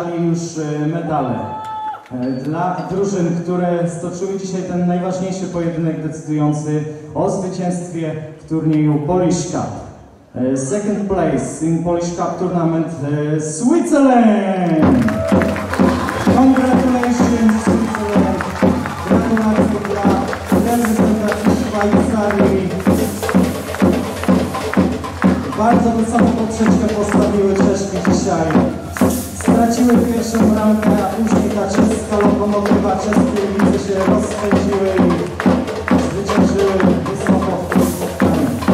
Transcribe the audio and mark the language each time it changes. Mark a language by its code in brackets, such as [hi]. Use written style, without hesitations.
[pl] Już medale dla drużyn, które stoczyły dzisiaj ten najważniejszy pojedynek decydujący o zwycięstwie w turnieju Polish Cup. [en] Second place in Polish Cup tournament, Switzerland! Congratulations, Switzerland! [pl] Gratulacje dla reprezentacji Szwajcarii. Bardzo wysoką poprzeczkę postawiły Czeszki dzisiaj. Straciły pierwszą bramkę, a później ta czeska lokomotywa, czeskie lice się rozkręciły i zwyciężyły wysoko w tym spotkaniu.